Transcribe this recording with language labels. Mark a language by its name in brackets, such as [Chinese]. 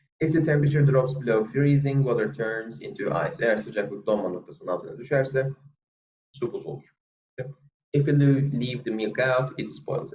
[English] If the temperature drops below freezing, water turns into ice. [Turkish] Eğer sıcaklık donma noktasının altına düşerse su buz olur. [English] Okay. If you leave the milk out, it spoils.